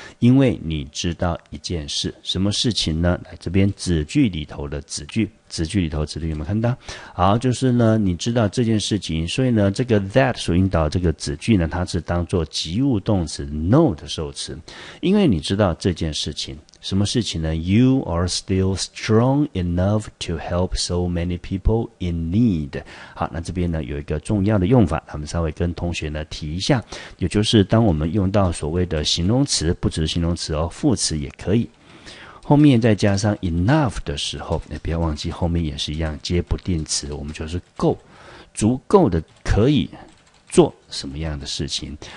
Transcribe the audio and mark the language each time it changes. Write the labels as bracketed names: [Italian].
[Chinese] 因为你知道一件事，什么事情呢？来，这边子句里头的子句，子句里头子句有没有看到？好，就是呢你知道这件事情，所以呢这个 that 所引导这个子句呢，它是当作及物动词 know 的受词。因为你知道这件事情，什么事情呢？ [English] You are still strong enough to help so many people in need。 [Chinese] 好，那这边呢有一个重要的用法，我们稍微跟同学呢提一下，也就是当我们用到所谓的形容词，不只是形容词哦，副词也可以，后面再加上 enough 的时候，你不要忘记后面也是一样接不定词，我们就是够，足够的可以做什么样的事情。